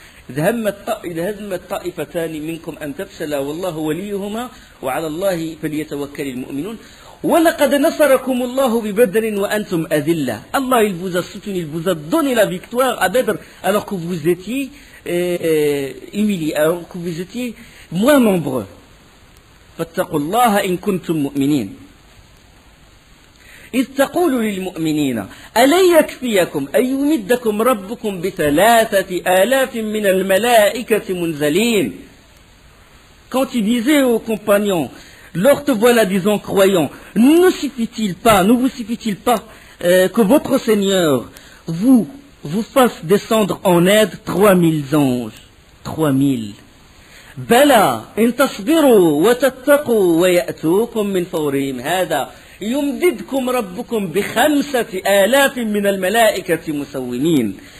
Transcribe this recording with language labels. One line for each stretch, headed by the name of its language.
Arabic: إذ همت طائفتان منكم أن تفشلا والله وليهما وعلى الله فليتوكل المؤمنون ولقد نصركم الله ببدر وأنتم أذلة.
French: الله il vous a soutenu, il vous a donné la victoire à Badr alors que vous étiez humiliés, alors que vous étiez moins nombreux.
Arabic: فاتقوا الله إن كنتم مؤمنين. إذ تقول للمؤمنين ألن يكفيكم أن يمدكم ربكم بثلاثة آلاف من الملائكة منزلين.
French: Quand il disait aux compagnons, lors te voilà disant croyant, ne vous suffit-il pas que votre Seigneur vous fasse descendre en aide 3000 anges, 3000.
Arabic: بلى إن تصبروا وتتقوا ويأتوكم من فورهم هذا يمددكم ربكم بخمسة آلاف من الملائكة مسومين.